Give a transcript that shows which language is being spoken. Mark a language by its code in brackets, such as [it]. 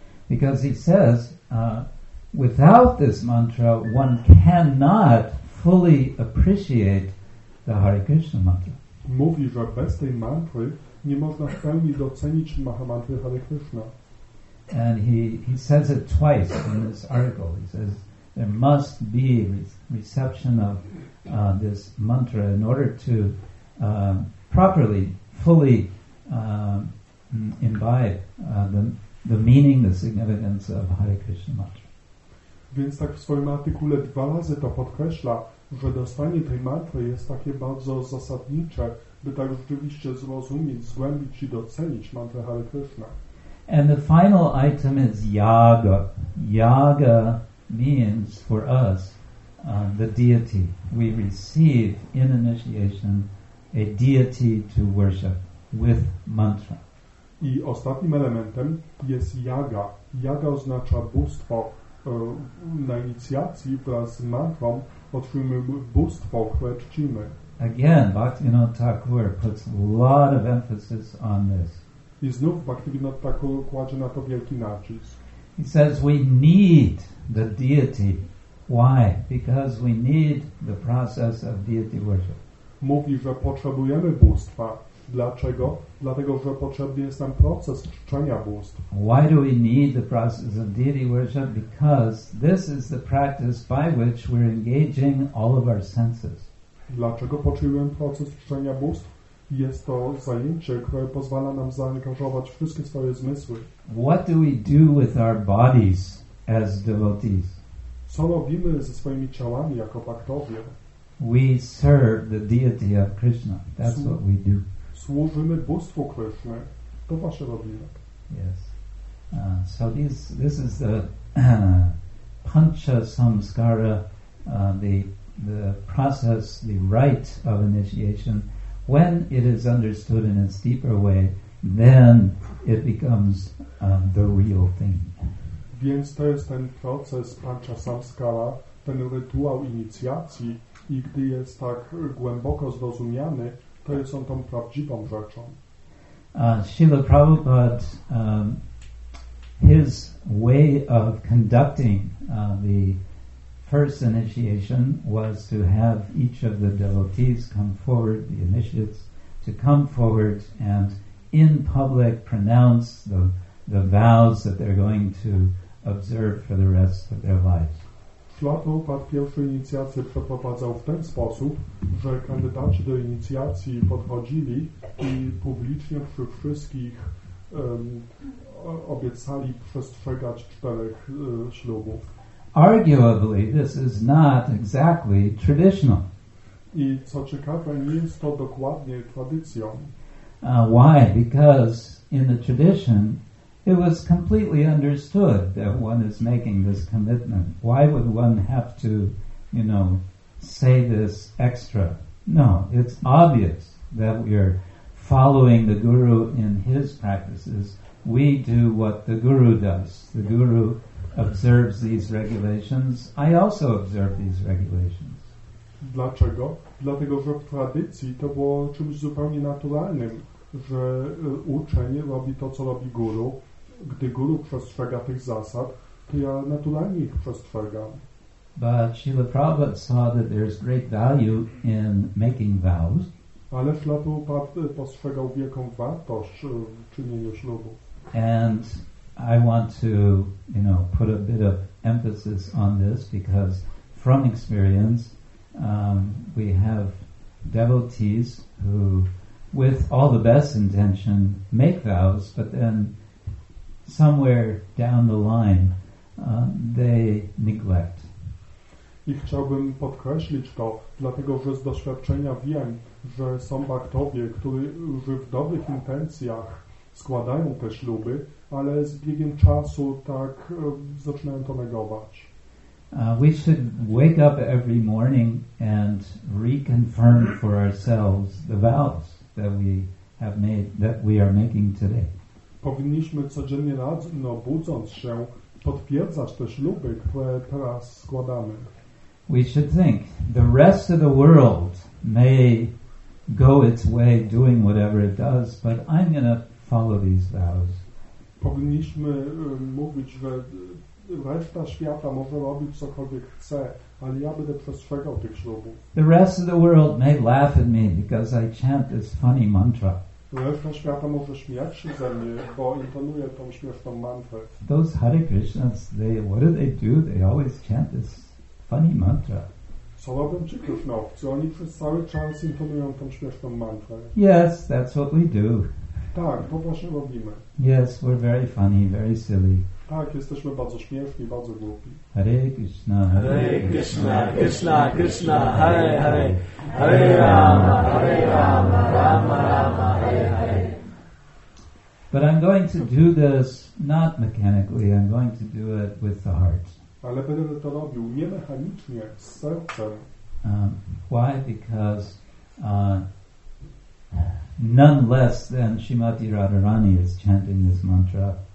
[en] Because he says, without this mantra, one cannot fully appreciate the Hare Krishna mantra. [pl] Mówi, że bez tej mantry nie można w pełni docenić Mahamantry Hare Krishna. [en] And he says it twice in this article. He says, there must be reception of this mantra in order to properly, fully imbibe the meaning, the significance of Hare Krishna mantra. [pl] Więc tak w swoim artykule dwa razy to podkreśla, że dostanie tej mantry jest takie bardzo zasadnicze, by tak rzeczywiście zrozumieć, zgłębić i docenić mantrę Hare Krishna. [en] And the final item is yaga. Yaga means for us the deity. We receive in initiation a deity to worship with mantra. [pl] I ostatnim elementem jest yaga. Yaga oznacza bóstwo. Na inicjacji wraz z mantrą otrzymujemy bóstwo, które czcimy. [en] Again, Bhaktivinoda Thakur puts a lot of emphasis on this. [pl] I znów Bhaktivinoda Thakur kładzie na to wielki nacisk. [en] He says we need the deity. Why? Because we need the process of deity worship. [pl] Mówi, że potrzebujemy bóstwa. Dlaczego? Dlatego, że potrzebny jest nam proces czczenia bóstw. [en] Why do we need the process of deity worship? Because this is the practice by which we're engaging all of our senses. [pl] Dlaczego potrzebujemy proces czczenia bóstw? Jest to zajęcie, które pozwala nam zaangażować wszystkie swoje zmysły. [en] What do we do with our bodies as devotees? [pl] Co robimy ze swoimi ciałami jako bhaktowie? [en] We serve the deity of Krishna. That's what we do. [pl] Służymy bóstwu Krishna. To wasze robimy. [en] Yes. So this is the pancha samskara, the process, the rite of initiation. When it is understood in its deeper way, then it becomes the real thing. [pl] Więc to jest ten proces Pancha Samskara, ten rytuał inicjacji i gdy jest tak głęboko zrozumiany, to jest on tą prawdziwą rzeczą. [en] Śrīla Prabhupāda, his way of conducting the first initiation was to have each of the devotees come forward, the initiates, to come forward and in public pronounce the vows that they're going to observe for the rest of their lives. [pl] Śrīla Prabhupāda pierwszą inicjację przeprowadzał w ten sposób, że kandydaci do inicjacji podchodzili i publicznie przy wszystkich obiecali przestrzegać czterech ślubów. [en] Arguably, this is not exactly traditional. [pl] I co ciekawe, nie jest to dokładnie tradycją. [en] Why? Because in the tradition, it was completely understood that one is making this commitment. Why would one have to, you know, say this extra? No, it's obvious that we are following the guru in his practices. We do what the guru does. The guru observes these regulations. I also observe these regulations. [pl] Dlaczego? Dlatego, że w tradycji to było czymś zupełnie naturalnym, że uczeń robi to, co robi guru. Gdy guru przestrzega tych zasad, to ja naturalnie ich przestrzegam. [en] But Śrīla Prabhupāda saw that there's great value in making vows. [pl] Ale Śrīla Prabhupāda postrzegał wielką wartość w czynieniu ślubu. [en] And I want to, you know, put a bit of emphasis on this because from experience we have devotees who, with all the best intention, make vows, but then somewhere down the line they neglect. [pl] I chciałbym podkreślić to, dlatego że z doświadczenia wiem, że są bhaktowie, którzy w dobrych intencjach składają te śluby, ale z biegiem czasu tak zaczynają to negować. [en] We should wake up every morning and reconfirm for ourselves the vows that we have made, that we are making today. [pl] Powinniśmy codziennie rano budząc się potwierdzać te śluby, które teraz składamy. [en] We should think the rest of the world may go its way doing whatever it does, but I'm going to follow these vows. [pl] Powinniśmy mówić, że reszta świata może robić cokolwiek chce, ale ja będę przestrzegał tych ślubów. [en] The rest of the world may laugh at me because I chant this funny mantra. [pl] Reszta świata może śmiać się ze mnie, bo intonuję tą śmieszną mantrę. [en] Those Hare Krishnas, what do? They always chant this funny mantra. [pl] Co robią ci Krishnowcy? Oni przez cały czas intonują tą śmieszną mantrę. [en] Yes, that's what we do. [pl] Tak, to właśnie robimy. [en] Yes, we're very funny, very silly. [pl] Tak, jesteśmy bardzo śmieszni, bardzo głupi. [sa] Hare Krishna, Hare Krishna, Krishna Krishna, Hare Hare, Hare Rama, Hare Rama, Rama Rama, Hare Hare. [en] But I'm going to do this not mechanically, I'm going to do it with the heart. [pl] Ale będę to robił nie mechanicznie, z sercem. [en] Why? Because none less than Śrīmatī Rādhārāṇī is chanting this mantra.